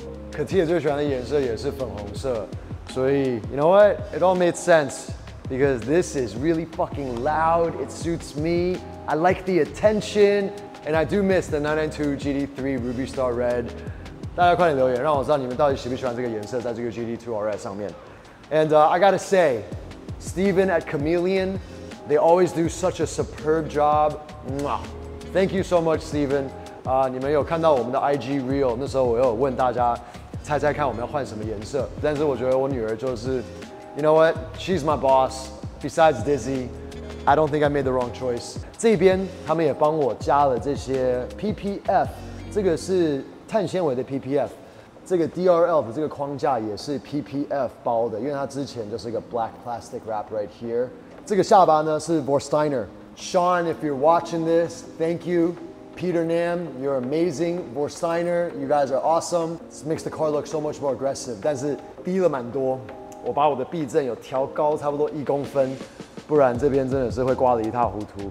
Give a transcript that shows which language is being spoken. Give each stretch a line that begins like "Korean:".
Chinese: 可蒂最喜歡的顏色也是粉紅色。
English: 所以 you know what? It all made sense. Because this is really fucking loud, it suits me. I like the attention, and I do miss the 992 GT3 Ruby Star Red.
Chinese: 大家快点留言，让我知道你们到底喜不喜欢这个颜色，在这个 GT2 RS 上面。
English: And I gotta say, Steven at Chameleon, they always do such a superb job. Thank you so much, Steven.
Chinese: 你们有看到我们的 IG Reel, 那时候我有问大家，猜猜看我们要换什么颜色。但是我觉得我女儿就是 ，
English: You know what? She's my boss. Besides Dizzy, I don't think I made the wrong choice.
Chinese: 这边他们也帮我加了这些 PPF， 这个是。碳纤维的 PPF， 这个 DRL 的这个框架也是 PPF 包的，因为它之前就是一个
English: black plastic wrap right here。
Chinese: 这个下巴呢是
English: Vorsteiner。Sean， if you're watching this， thank you。 Peter Nam， you're amazing。 Vorsteiner， you guys are awesome。 It makes the car look so much more aggressive，
Chinese: 但是低了蛮多。我把我的避震有调高差不多一公分，不然这边真的是会刮得一塌糊涂。